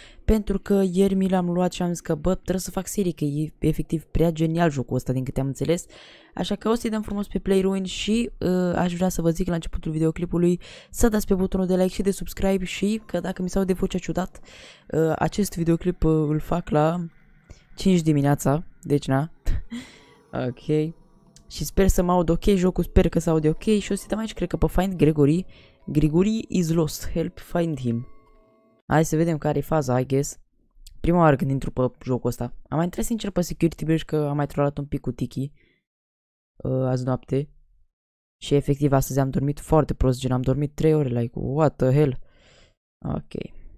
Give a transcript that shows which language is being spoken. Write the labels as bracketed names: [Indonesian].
[Romanian] pentru că ieri mi l-am luat și am zis că bă, trebuie să fac serie, că e efectiv prea genial jocul ăsta din câte am înțeles, așa că o să-i dăm frumos pe Play Ruin și aș vrea să vă zic la începutul videoclipului să dați pe butonul de like și de subscribe și că dacă mi se aude vocea ciudat, acest videoclip îl fac la 5 dimineața, deci na, ok. Și sper să mă aud ok jocul, sper că se aude ok și o să dăm aici, cred că pe Find Gregory. [English] Grigori is lost, help find him. [Romanian] Hai să vedem care e faza, [English] I guess. [Romanian] Prima oară când intru pe jocul ăsta. Am mai intrat sincer pe Security Breach că am mai trollat un pic cu Tiki azi noapte. Și efectiv astăzi am dormit foarte prost, gen am dormit 3 ore, [English] like what the hell. [Romanian] Ok.